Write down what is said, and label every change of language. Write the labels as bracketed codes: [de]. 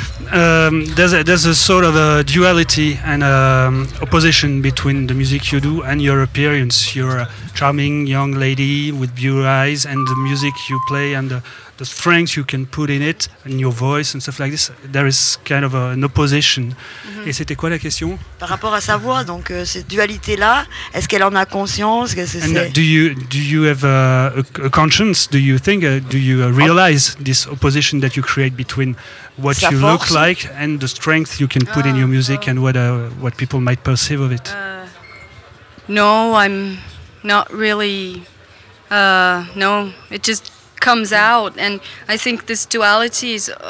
[en] there's a sort of a duality and opposition between the music you do and your appearance. You're a charming young lady with blue eyes, and the music you play and the strength you can put in it and your voice and stuff like this. There is kind of an opposition. Mm-hmm. [fr] Et c'était quoi la question? Par rapport à sa voix, donc cette dualité là, est-ce qu'elle en a conscience? Qu'est-ce que c'est? [en] Do you have a conscience? Do you think? Do you realize this opposition that you create between what [fr] sa [en] you [fr] force. [en] Look like and the strength you can put in your music and what people might perceive of it? No, I'm not really. No, it just comes out, and I think this duality is.